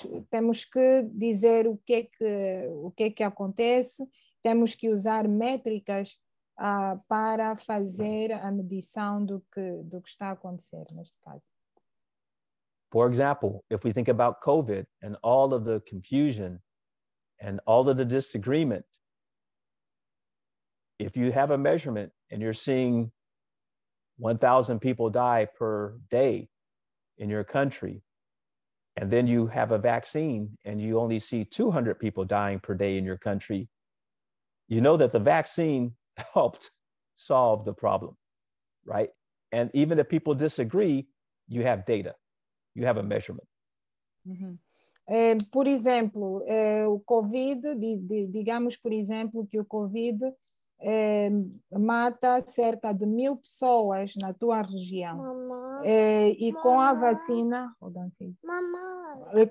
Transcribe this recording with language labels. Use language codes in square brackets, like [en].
[pt] Temos que dizer o que é que acontece, temos que usar métricas para fazer a medição do que está a acontecer neste caso. [en] For example, if we think about COVID and all of the confusion and all of the disagreement, if you have a measurement and you're seeing 1,000 people die per day in your country, and then you have a vaccine and you only see 200 people dying per day in your country, you know that the vaccine helped solve the problem, right? And even if people disagree, you have data, you have a measurement. Mm-hmm. [pt] Por exemplo, o COVID, digamos, por exemplo, que o COVID mata cerca de 1,000 pessoas na tua região. Mamãe, e mamãe, com a vacina, [en] hold on, [pt] mamãe,